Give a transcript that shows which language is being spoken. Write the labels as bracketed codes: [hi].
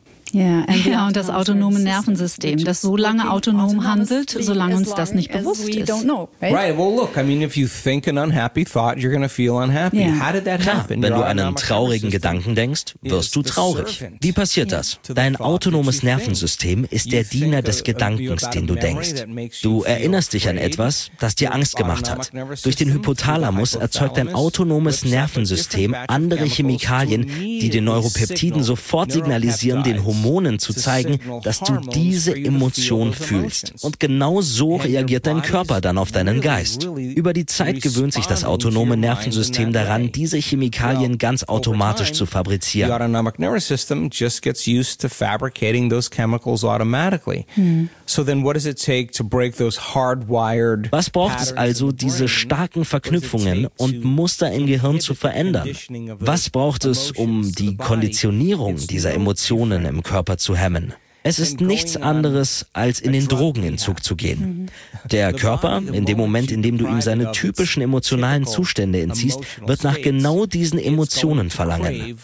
[de] Ja, und das autonome Nervensystem, das so lange autonom handelt, solange uns das nicht bewusst ist. [en] Right, well look, I mean, if you think an unhappy thought, you're going to feel unhappy. How did that happen? [de] Wenn du einen traurigen Gedanken denkst, wirst du traurig. Wie passiert das? Dein autonomes Nervensystem ist der Diener des Gedankens, den du denkst. Du erinnerst dich an etwas, das dir Angst gemacht hat. Durch den Hypothalamus erzeugt dein autonomes Nervensystem andere Chemikalien, die den Neuropeptiden sofort signalisieren, den Hormonen Hormonen zu zeigen, dass du diese Emotion fühlst. Und genau so reagiert dein Körper dann auf deinen Geist. Über die Zeit gewöhnt sich das autonome Nervensystem daran, diese Chemikalien ganz automatisch zu fabrizieren. [en] Your autonomic nervous system just gets used to fabricating those chemicals automatically. So then what does it take to break those hardwired? [de] Was braucht es also, diese starken Verknüpfungen und Muster im Gehirn zu verändern? Was braucht es, um die Konditionierung dieser Emotionen im Körper zu hemmen? Es ist nichts anderes, als in den Drogenentzug zu gehen. Der Körper, in dem Moment, in dem du ihm seine typischen emotionalen Zustände entziehst, wird nach genau diesen Emotionen verlangen.